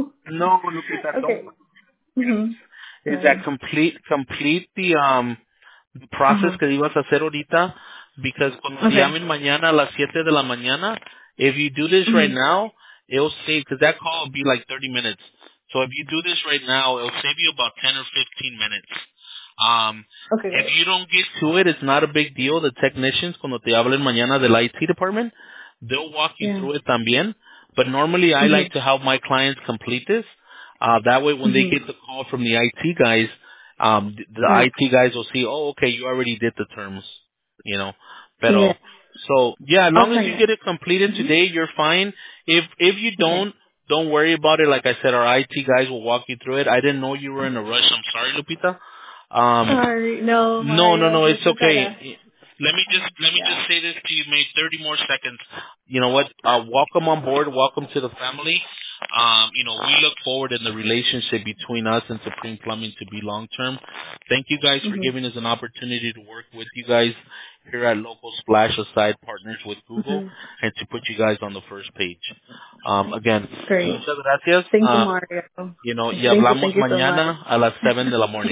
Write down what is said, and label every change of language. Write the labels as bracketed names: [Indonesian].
[English] No, Lupita, okay. Is that complete the process [Spanish] que ibas a hacer ahorita? [English] Because [Spanish] cuando te llamen mañana a las 7 de la mañana, [English] if you do this right now, it'll save, because that call will be like 30 minutes. So if you do this right now, it'll save you about 10 or 15 minutes. If you don't get to it, it's not a big deal. The technicians, [Spanish] cuando te hablen mañana del [English] IT department, they'll walk you through it [Spanish] también. [English] But normally, I like to help my clients complete this. That way, when they get the call from the IT guys, IT guys will see, oh, okay, you already did the terms, you know. Pero, so, yeah, as long as you get it completed today, you're fine. If you don't worry about it. Like I said, our IT guys will walk you through it. I didn't know you were in a rush. I'm sorry, Lupita. No, it's okay. Let me just say this to you, maybe 30 more seconds. You know what? Welcome on board. Welcome to the family. You know, we look forward in the relationship between us and Supreme Plumbing to be long-term. Thank you guys for giving us an opportunity to work with you guys here at Local Splash Aside Partners with Google and to put you guys on the first page. Again, great. [Spanish] Muchas gracias. [English] Thank you, Mario. You know, [Spanish] y hablamos [English] thank you [Spanish] mañana so a las 7 de la morning.